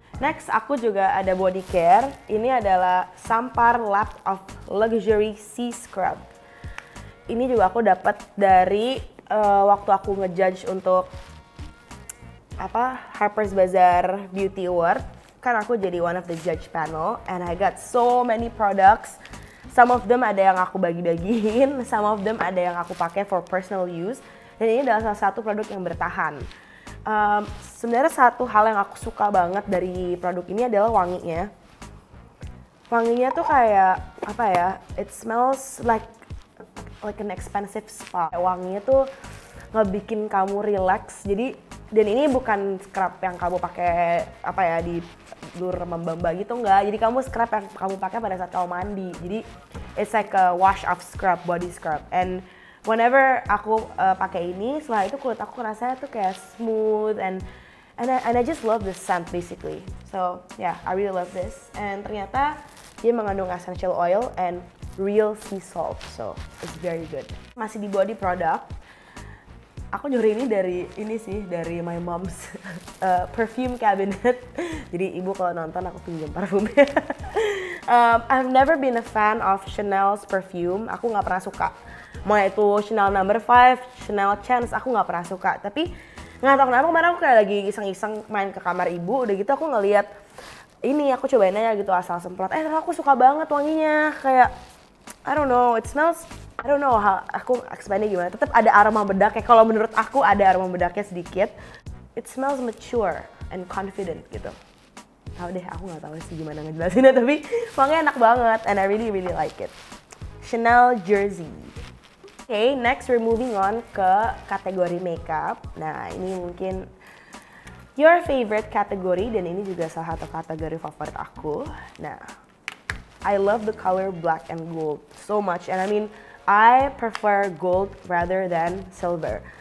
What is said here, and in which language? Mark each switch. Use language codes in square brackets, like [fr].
[id] Next, aku juga ada body care. Ini adalah Sampar Lab of Luxury Sea Scrub. Ini juga aku dapat dari waktu aku ngejudge untuk Harper's Bazaar Beauty Award. Kan aku jadi [en] one of the judge panel and I got so many products. Some of them [id] ada yang aku bagi-bagiin, [en] some of them [id] ada yang aku pakai [en] for personal use. [id] Dan ini adalah salah satu produk yang bertahan. Sebenarnya satu hal yang aku suka banget dari produk ini adalah wanginya. Wanginya tuh kayak apa ya? [en] It smells like an expensive spa. [id] Wanginya tuh ngebikin kamu relax. Jadi dan ini bukan scrub yang kamu pakai di lur membamba gitu, enggak. Jadi kamu scrub yang kamu pakai pada saat kamu mandi. [en] Jadi it's like a wash off scrub, body scrub. And whenever [id] aku pakai ini, setelah itu kulit aku rasanya tuh kayak [en] smooth and I just love the scent basically. So yeah, I really love this. And [id] ternyata dia mengandung [en] essential oil and real sea salt, so it's very good. [id] Masih di body product, aku nyuri ini dari [en] my mom's perfume cabinet. [id] Jadi ibu kalau nonton aku pinjam parfumnya. [en] I've never been a fan of Chanel's perfume. [id] Aku nggak pernah suka. Mau itu Chanel No. 5, Chanel Chance, aku nggak pernah suka. Tapi nggak tahu kenapa kemarin aku kayak lagi iseng-iseng main ke kamar ibu, udah gitu aku ngeliat ini, aku cobain aja gitu asal semprot. Aku suka banget wanginya, kayak aku explainnya gimana. Tetap ada aroma bedak ya, kalau menurut aku ada aroma bedaknya sedikit. [en] It smells mature and confident [id] gitu. Tahu deh, aku nggak tahu sih gimana ngejelasinnya, tapi wanginya enak banget [en] and I really like it. Chanel Jersey. Okay, next we're moving on [id] ke kategori [en] makeup. [id] Nah, ini mungkin [en] your favorite category [id] dan ini juga salah satu kategori favorit aku. [en] Nah, I love the color black and gold so much. And I mean, I prefer gold rather than silver.